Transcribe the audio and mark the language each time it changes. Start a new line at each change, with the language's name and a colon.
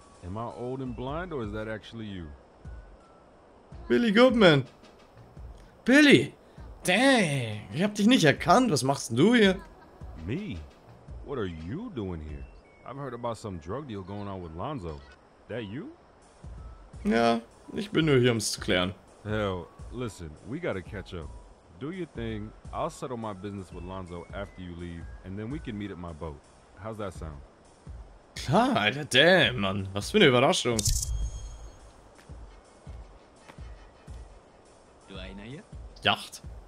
English: Am I old and blind or is that actually you?
German: Billy Goodman! Billy! Dang, ich hab dich nicht erkannt. Was machst du hier?
English: Me? What are you doing here? I've heard about some drug deal going on with Lonzo. That you?
German: Ja, ich bin nur hier, um's zu klären.
English: Hell, listen, we gotta catch up. Do your thing. I'll settle my business with Lonzo after you leave, and then we can meet at my boat. How's that sound?
German: Klar, Alter, damn, Mann. Was für eine Überraschung. Du einer hier? Yacht.